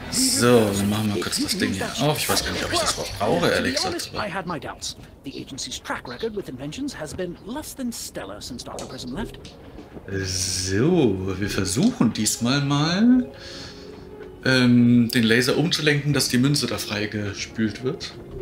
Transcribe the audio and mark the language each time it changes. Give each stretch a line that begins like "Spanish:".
German: So, dann machen wir kurz das Ding hier auf. Ich weiß gar nicht, ob ich das Wort brauche, ehrlich gesagt.
English: I had my doubts. The agency's track record with inventions has been less than stellar since Dr. Prism left.
German: So, wir versuchen diesmal mal, den Laser umzulenken, dass die Münze da freigespült wird.